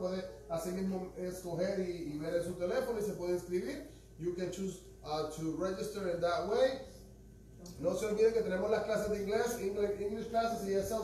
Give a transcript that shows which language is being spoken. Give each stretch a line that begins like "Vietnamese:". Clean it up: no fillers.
Spanish: Puede así mismo escoger y ver en su teléfono y se puede inscribir.
English: You can choose to register in that way.
Spanish: No se olviden que tenemos las clases de inglés, English classes, ESL.